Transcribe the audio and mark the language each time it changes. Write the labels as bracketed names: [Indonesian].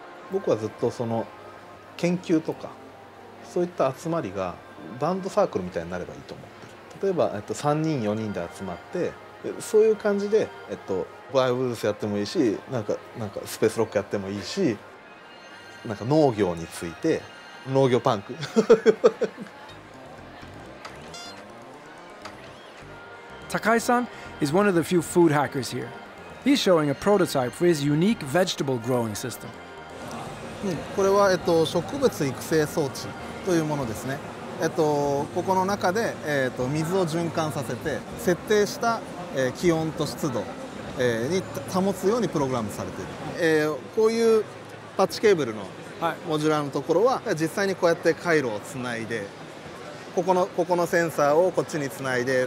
[Japanese] 僕はずっとその研究とかそういった集まりがバンドサークルみたいになればいいと思ってる例えば3人4人で集まってそういう感じで、バイオブルースやってもいいし、なんかスペースロックやってもいいし、なんか農業について、農業パンク。 [English] Takai san is one of the few food hackers here. He's showing a prototype for his unique vegetable growing system. [Japanese] これは植物育成装置というものですね。ここの中で、水を循環させて設定した、気温と湿度、に保つようにプログラムされている、こういうパッチケーブルのモジュラーのところは、はい、実際にこうやって回路をつないでここのセンサーをこっちにつないで